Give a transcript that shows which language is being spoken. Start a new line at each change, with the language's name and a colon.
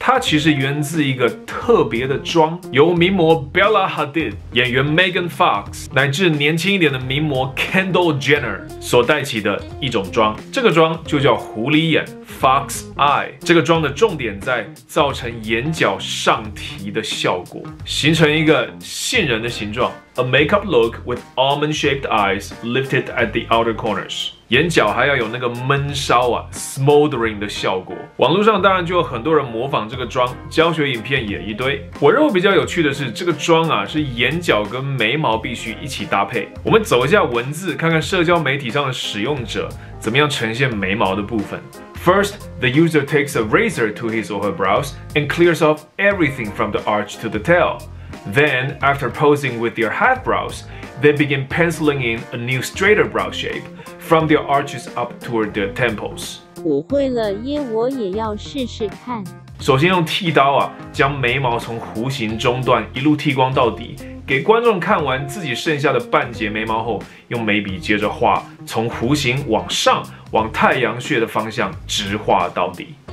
Chinese: 它其实源自一个特别的妆，由名模 Bella Hadid、 演员 Megan Fox 乃至年轻一点的名模 Kendall Jenner 所带起的一种妆。这个妆就叫狐狸眼 Fox Eye。这个妆的重点在造成眼角上提的效果，形成一个杏仁的形状。
English: A makeup look with almond-shaped eyes lifted at the outer corners.
Chinese: 眼角还要有那个闷烧啊 ，smoldering 的效果。网络上当然就有很多人模仿这个妆，教学影片也一堆。我认为比较有趣的是，这个妆啊是眼角跟眉毛必须一起搭配。我们走一下文字，看看社交媒体上的使用者怎么样呈现眉毛的部分。
English: First, the user takes a razor to his or her brows and clears off everything from the arch to the tail. Then, after posing with their half brows, they begin penciling in a new straighter brow shape from their arches up toward their temples.
Chinese: 我会了耶，我也要试试看。首先用剃刀啊，将眉毛从弧形中段一路剃光到底。给观众看完自己剩下的半截眉毛后，用眉笔接着画，从弧形往上，往太阳穴的方向直画到底。